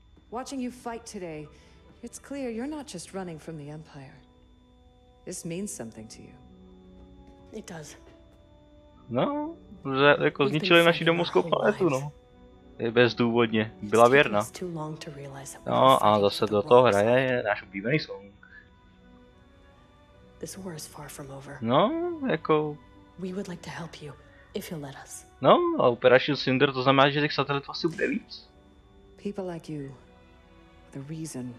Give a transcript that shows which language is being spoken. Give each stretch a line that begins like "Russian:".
English: Watching you fight today, it's clear you're not just running from the Empire. This means something to you. It does.
Czech: No, že jako zničili naši domovskou planetu, no. Bezdůvodně, byla věrna. No a zase do toho hraje je náš oblíbený song.
English: This war is far from over.
Czech: No, jako.
English: We would like to help you if you let us.
Czech: No, a Operation Cinder to znamená, že těch satelitů asi bude víc.
English: People like you, the reason.